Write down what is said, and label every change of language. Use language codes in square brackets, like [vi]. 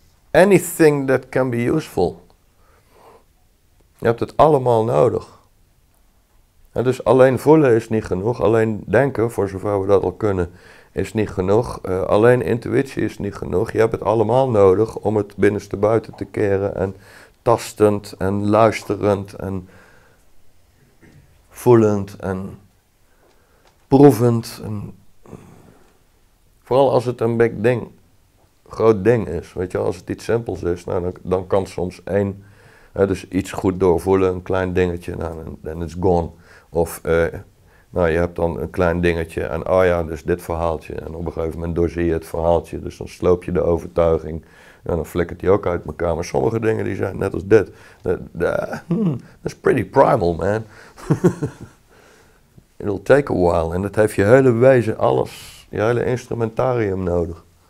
[en] Anything that can be useful. [nl] Je hebt het allemaal nodig. En dus alleen voelen is niet genoeg, alleen denken, voor zover we dat al kunnen, is niet genoeg. Alleen intuïtie is niet genoeg. Je hebt het allemaal nodig om het binnenste buiten te keren en tastend en luisterend en voelend en proevend. En vooral als het een big ding, groot ding is, weet je, als het iets simpels is, nou, dan kan soms één, dus iets goed doorvoelen, een klein dingetje, nou, en [en] it's gone. [nl] Of nou, je hebt dan een klein dingetje en oh ja, dus dit verhaaltje. En op een gegeven moment doorzie je het verhaaltje, dus dan sloop je de overtuiging. En dan flikkert die ook uit elkaar. Maar sommige dingen die zijn net als dit. [en] That's pretty primal, man. It'll take a while. [nl] En dat heeft je hele wezen, alles, je hele instrumentarium nodig.